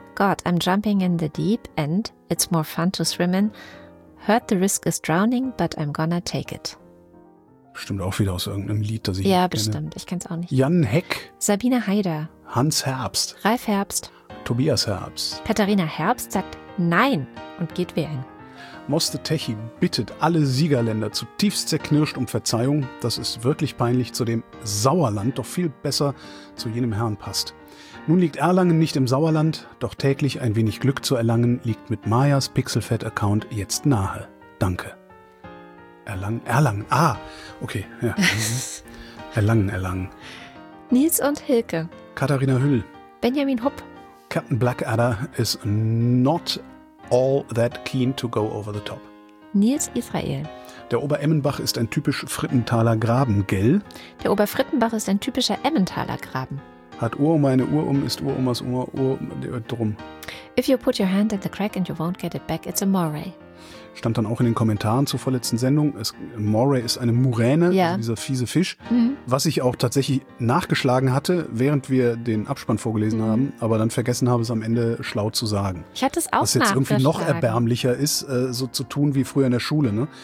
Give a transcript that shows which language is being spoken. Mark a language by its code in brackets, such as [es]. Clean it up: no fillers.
[en] God, I'm jumping in the deep and it's more fun to swim in. Heard the risk is drowning, but I'm gonna take it. [de] Bestimmt auch wieder aus irgendeinem Lied, das ich ja, nicht bestimmt. Kenne. Ich kenn's auch nicht. Jan Heck. Sabine Heider. Hans Herbst. Ralf Herbst. Tobias Herbst. Katharina Herbst sagt Nein und geht wählen. Moste Techi bittet alle Siegerländer zutiefst zerknirscht um Verzeihung. Das ist wirklich peinlich, zu dem Sauerland doch viel besser zu jenem Herrn passt. Nun liegt Erlangen nicht im Sauerland, doch täglich ein wenig Glück zu erlangen, liegt mit Mayas Pixelfett-Account jetzt nahe. Danke. Erlangen. Ah, okay. Ja. Erlangen. Nils und Hilke. Katharina Hüll. Benjamin Hupp. [en] Captain Blackadder is not all that keen to go over the top. [de] Nils Israel. Der Oberemmenbach ist ein typisch Frittenthaler Graben, gell? Der Oberfrittenbach ist ein typischer Emmentaler Graben. Hat Urum eine Urum, ist Urum aus Urum, drum. [en] If you put your hand in the crack and you won't get it back, it's a moray. [de] Stand dann auch in den Kommentaren zur vorletzten Sendung. Moray ist eine Muräne, ja. Also dieser fiese Fisch. Mhm. Was ich auch tatsächlich nachgeschlagen hatte, während wir den Abspann vorgelesen haben, aber dann vergessen habe, es am Ende schlau zu sagen. Ich hatte es auch nachgeschlagen. Was jetzt irgendwie noch erbärmlicher ist, so zu tun wie früher in der Schule. Ne?